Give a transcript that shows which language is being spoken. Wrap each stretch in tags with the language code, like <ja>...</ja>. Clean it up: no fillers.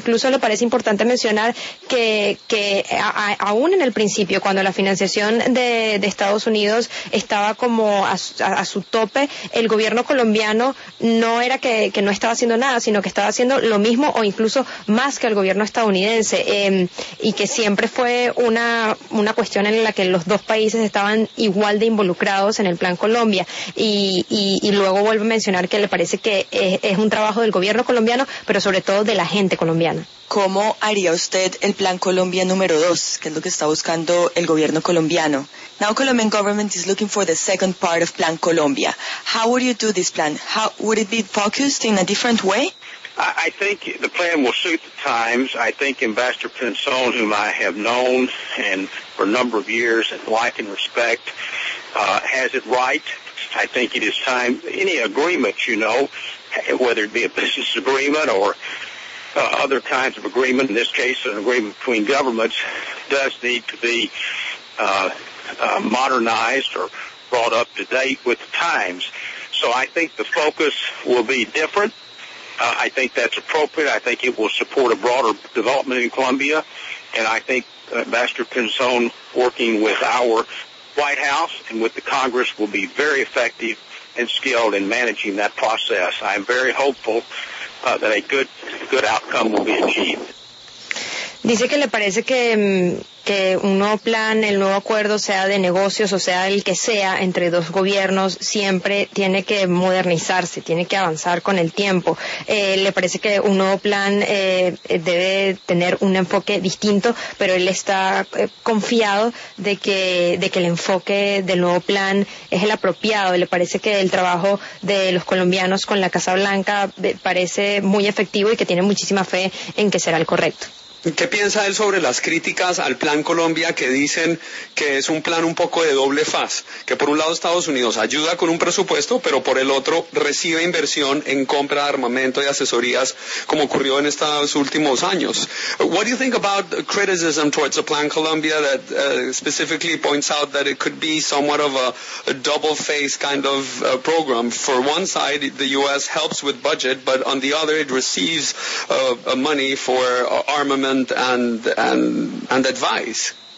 <es>Incluso le parece importante mencionar que aún en el principio, cuando la financiación de Estados Unidos estaba como a su tope, el gobierno colombiano no era que no estaba haciendo nada, sino que estaba haciendo lo mismo o incluso más que el gobierno estadounidense, y que siempre fue una cuestión en la que los dos países estaban igual de involucrados en el Plan Colombia. Y luego vuelvo a mencionar que le parece que es un trabajo del gobierno colombiano, pero sobre todo de la gente colombiana. ¿Cómo haría usted el Plan Colombia número 2, que es lo que está buscando el gobierno colombiano?</es> <en>Now Colombian government is looking for the second part of Plan Colombia. How would you do this plan? How would it be focused in a different way? I think the plan will suit the times. I think Ambassador Pinzon, whom I have known and for a number of years and like and respect, has it right. I think it is time, any agreement, you know, whether it be a business agreement or other kinds of agreement, in this case an agreement between governments, does need to be modernized or brought up to date with the times. So I think the focus will be different. I think that's appropriate. I think it will support a broader development in Colombia. And I think Ambassador Pinzon working with our White House and with the Congress will be very effective and skilled in managing that process. I'm very hopeful that a good outcome will be achieved.</en> <es>Dice que le parece que un nuevo plan, el nuevo acuerdo, sea de negocios o sea el que sea entre dos gobiernos, siempre tiene que modernizarse, tiene que avanzar con el tiempo. Le parece que un nuevo plan debe tener un enfoque distinto, pero él está confiado de que el enfoque del nuevo plan es el apropiado. Le parece que el trabajo de los colombianos con la Casa Blanca parece muy efectivo y que tiene muchísima fe en que será el correcto. ¿Qué piensa él sobre las críticas al Plan Colombia que dicen que es un plan un poco de doble faz? Que por un lado Estados Unidos ayuda con un presupuesto, pero por el otro recibe inversión en compra de armamento y asesorías como ocurrió en estos últimos años.</es> <en>What do you think about the criticism towards the Plan Colombia that specifically points out that it could be somewhat of a double face kind of program? For one side, the U.S. helps with budget, but on the other, it receives money for armament and advice.</en>